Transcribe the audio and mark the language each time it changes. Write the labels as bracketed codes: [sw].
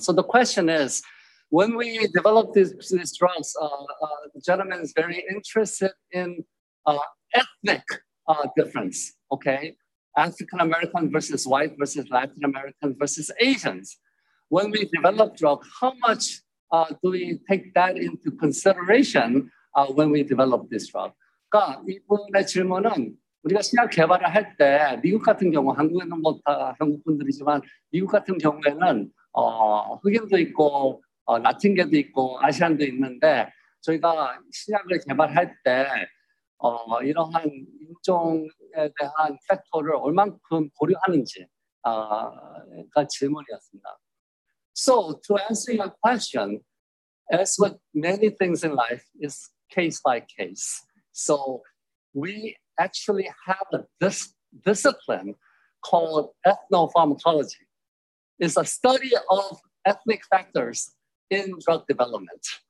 [en] So the question is, when we develop these drugs, the gentleman is very interested in ethnic difference, okay? African-American versus white versus Latin-American versus Asians. When we develop drugs, how much do we take that into consideration when we develop this drug? [ko] 그러니까 이분의 질문은 우리가 신약 개발을 할 때 미국 같은 경우, 한국에는 뭐 다 한국 분들이지만 미국 같은 경우에는 흑인도 있고 라틴계도 있고 아시안도 있는데 저희가 신약을 개발할 때 이러한 접종에 대한 팩터를 얼만큼 고려하는지 가 질문이었습니다. [en] So to answer your question, as with many things in life, it's case by case. So we actually have this discipline called ethnopharmacology. It's a study of ethnic factors in drug development.